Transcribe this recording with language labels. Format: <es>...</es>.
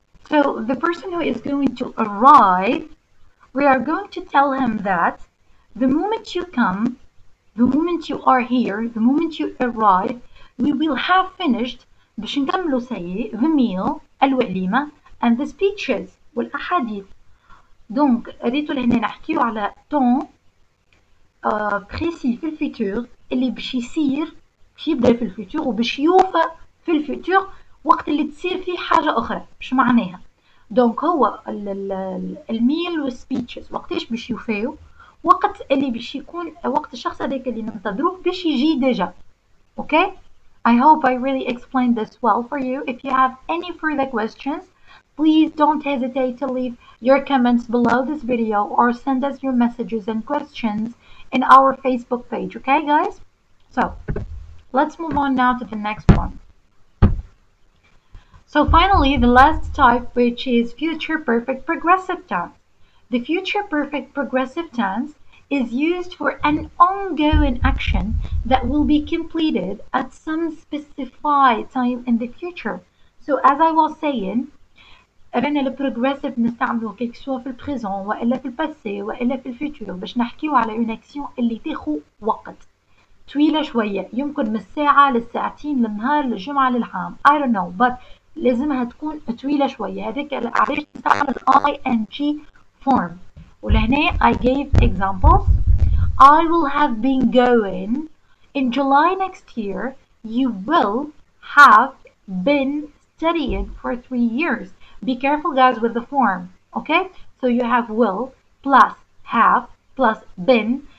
<en>So the person who is going to arrive, we are going to tell him that the moment you come, the moment you are here, the moment you arrive, we will have finished</en> <ar>باش نكملوا سيي</ar> <en>the meal</en> <ar>الوليمة</ar> <en>and the speeches</en> <ar>والأحاديث. دونك ريتو لهنا نحكيو على تون بريسي في الفيتور اللي باش يصير باش يبدا في الفيتور وباش يوفى في الفيتور وقت اللي تصير فيه حاجة أخرى. مش معناها دونك هو الميل والسبيتشز وقتاش باش يوفاو؟ وقت اللي باش يكون وقت الشخص هذاك اللي ننتظروه باش يجي ديجا.</ar> <en>Okay I hope I really explained this well for you. If you have any further questions, please don't hesitate to leave your comments below this video or send us your messages and questions in our Facebook page. Okay, guys? So, let's move on now to the next one. So, finally, the last type, which is future perfect progressive tense. The future perfect progressive tense is used for an ongoing action that will be completed at some specified time in the future. So as I was saying,</en> <ar>رانا البروغريسيف نستعملو كيك سوا في البريزون والا في الباسي والا في الفيتور باش نحكيو على اون اكسيون اللي تاخذ وقت طويله شويه يمكن من الساعه للساعتين للنهار للجمعه للعام</ar> <en>I don't know but</en> <ar>لازمها تكون طويله شويه هذيك علاش نستعمل ing form. ولهنا</ar> <en>I gave examples. I will have been going in July next year. You will have been studying for 3 years. Be careful guys with the form. Okay? So you have will plus have plus been.</en>